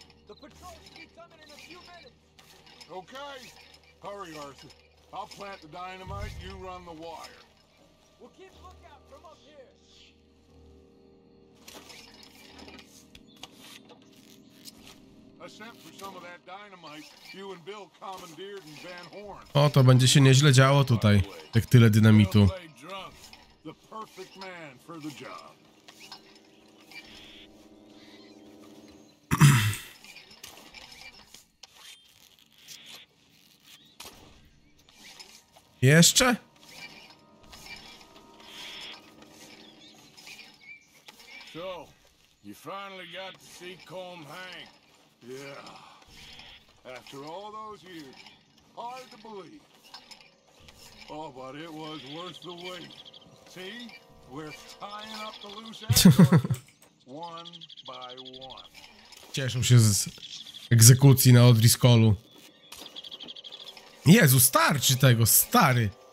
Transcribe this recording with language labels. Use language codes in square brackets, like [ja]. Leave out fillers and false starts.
[en] The patrol should be coming in a few minutes. Okay. Hurry, Arthur. I'll plant the dynamite, you run the wire. We'll keep lookout from up here. I sent for some of that dynamite you and Bill commandeered in Van Horn. [pl] O, to będzie się nieźle działo tutaj, jak tyle dynamitu. [en] The perfect man for the job. [pl] Jeszcze? [en] So, you finally got to see Colm hang. Yeah. After all those years, hard to believe. Oh, but it was worth the wait. See? We're tying up the loose ends one by one. [pl] Cieszę się z egzekucji na odriskolu. Jezu, starczy tego, stary.